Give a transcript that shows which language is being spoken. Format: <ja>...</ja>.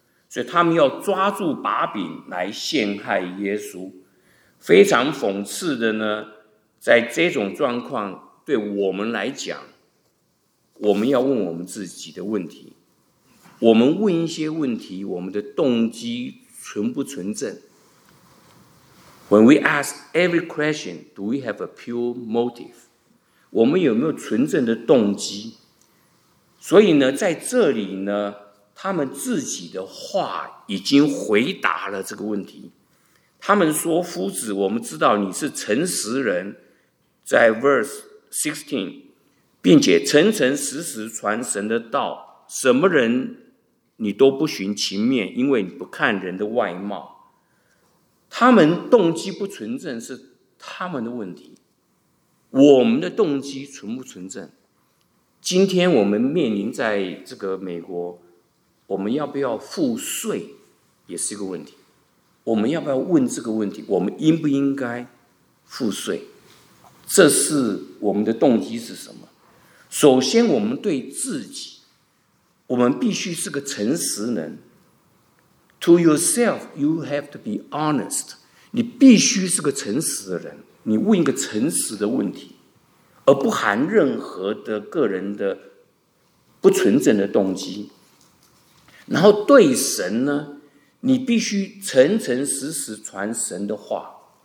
<zh>所以他们要抓住把柄来陷害耶稣。非常讽刺的呢，在这种状况对我们来讲，我们要问我们自己的问题，我们问一些问题，我们的动机纯不纯正？</zh> <en>When we ask every question, do we have a pure motive?</en> <zh>我们有没有纯正的动机？所以呢，在这里呢，他们自己的话已经回答了这个问题。他们说，夫子，我们知道你是诚实人，在 verse 16， 并且诚诚实实传神的道，什么人你都不寻其面，因为你不看人的外貌。他们动机不纯正是他们的问题，我们的动机纯不纯正，今天我们面临在这个美国，我们要不要付税也是一个问题，我们要不要问这个问题，我们应不应该付税，这是我们的动机是什么。首先我们对自己，我们必须是个诚实人。</zh> <en>To yourself, you have to be honest.</en> <zh>你必须是个诚实的人，你问一个诚实的问题，而不含任何的个人的不纯正的动机。然后对神呢，你必须诚诚实实传神的话。</zh>